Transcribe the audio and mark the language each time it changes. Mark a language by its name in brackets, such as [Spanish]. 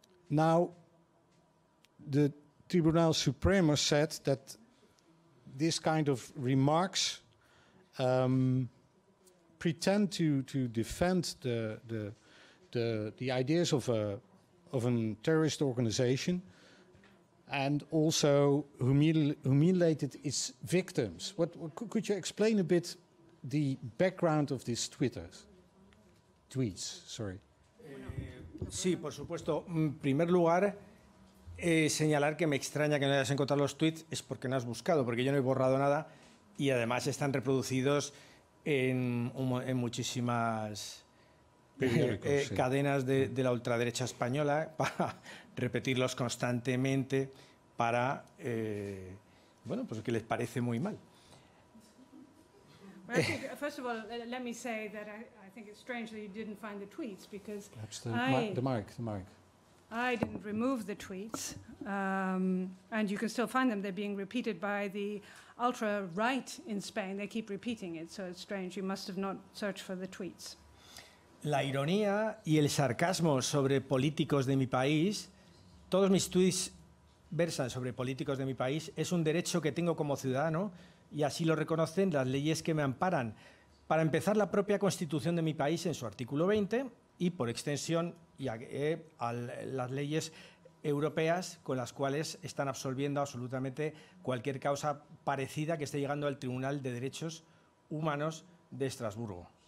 [English] Now, the Tribunal Supremo said that this kind of remarks pretend to defend the ideas of a terrorist organization, and also humiliated its victims. What could you explain a bit the background of these tweets? Sorry. [Spanish] Sí, por supuesto. En primer lugar, señalar que me extraña que no hayas encontrado los tweets es porque no has buscado, porque yo no he borrado nada, y además están reproducidos en muchísimas cadenas de la ultraderecha española para repetirlos constantemente para, bueno, pues que les parece muy mal. [English] I think, first of all, let me say that I think it's strange that you didn't find the tweets because the mic. I didn't remove the tweets, and you can still find them. They're being repeated by the ultra right in Spain. They keep repeating it, so it's strange. You must have not searched for the tweets. [Spanish] La ironía y el sarcasmo sobre políticos de mi país. Todos mis tweets versan sobre políticos de mi país. Es un derecho que tengo como ciudadano. Y así lo reconocen las leyes que me amparan. Para empezar, la propia Constitución de mi país en su artículo 20 y, por extensión, a las leyes europeas con las cuales están absolviendo absolutamente cualquier causa parecida que esté llegando al Tribunal de Derechos Humanos de Estrasburgo.